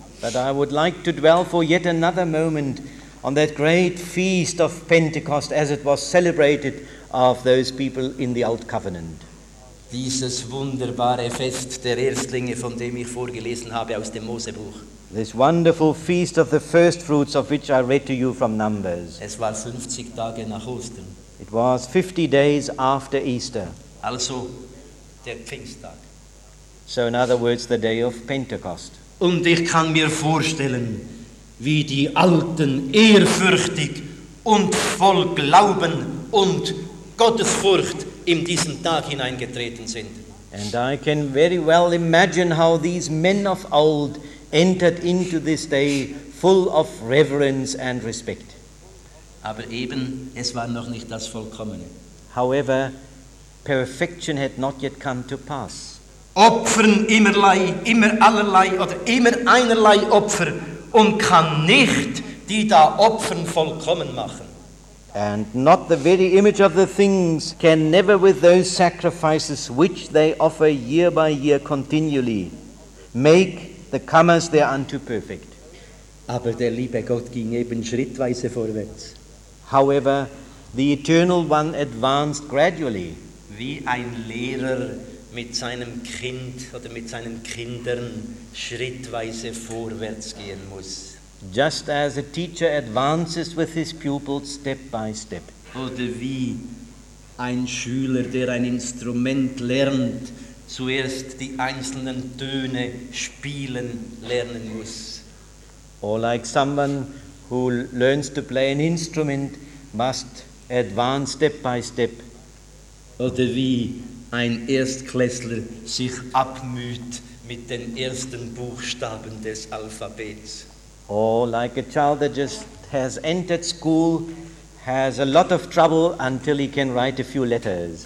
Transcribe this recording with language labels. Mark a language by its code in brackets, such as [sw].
[en] But I would like to dwell for yet another moment on that great feast of Pentecost as it was celebrated of those people in the Old Covenant. [de] Dieses wunderbare Fest der Erstlinge, von dem ich vorgelesen habe aus dem Mosebuch. [en] This wonderful feast of the first fruits of which I read to you from Numbers. [de] Es war 50 Tage nach Ostern. [en] It was 50 days after Easter. [de] Also der Pfingsttag. [en] So in other words, the day of Pentecost. [de] Und ich kann mir vorstellen, wie die Alten ehrfürchtig und voll Glauben und Gottesfurcht in diesen Tag hineingetreten sind. [en] And I can very well imagine how these men of old entered into this day full of reverence and respect. [de] Aber eben, es war noch nicht das Vollkommene. [en] However, perfection had not yet come to pass. [de] Opfern immerlei, immer allerlei oder immer einerlei Opfer und kann nicht die da Opfern vollkommen machen. [en] And not the very image of the things can never with those sacrifices which they offer year by year continually make the comers thereunto perfect. [de] Aber der liebe Gott ging eben schrittweise vorwärts. [en] However, the Eternal One advanced gradually. [de] Wie ein Lehrer mit seinem Kind oder mit seinen Kindern schrittweise vorwärts gehen muss. [en] Just as a teacher advances with his pupils step by step. [de] Oder wie ein Schüler, der ein Instrument lernt, zuerst die einzelnen Töne spielen lernen muss. [en] Or like someone who learns to play an instrument must advance step by step. [de] Oder wie ein Erstklässler sich abmüht mit den ersten Buchstaben des Alphabets. [en] Or like a child that just has entered school, has a lot of trouble until he can write a few letters.